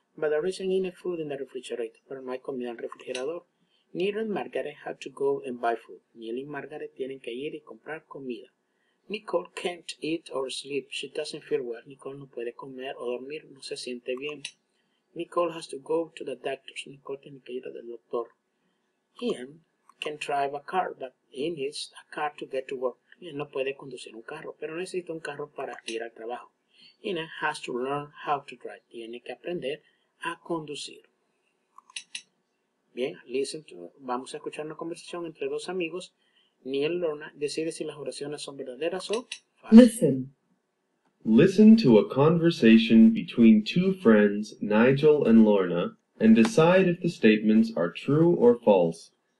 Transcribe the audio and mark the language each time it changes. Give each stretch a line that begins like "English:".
English: But there isn't any food in the refrigerator.
Spanish: Pero no hay comida en el refrigerador.
English: Neil and Margaret have to go and buy food.
Spanish: Neil y Margaret tienen que ir y comprar comida.
English: Nicole can't eat or sleep. She doesn't feel well.
Spanish: Nicole no puede comer o dormir. No se siente bien.
English: Nicole has to go to the doctor.
Spanish: Nicole tiene que ir al doctor.
English: Ian can drive a car, but he needs a car to get to work.
Spanish: Ian no puede conducir un carro, pero necesita un carro para ir al trabajo.
English: Ian has to learn how to drive.
Spanish: Tiene que aprender a conducir. Bien, vamos a escuchar una conversación entre dos amigos. Neil Lorna decide si las oraciones son verdaderas o falsas.
English: Listen. Listen to a conversation between two friends, Nigel and Lorna, and decide if the statements are true or false.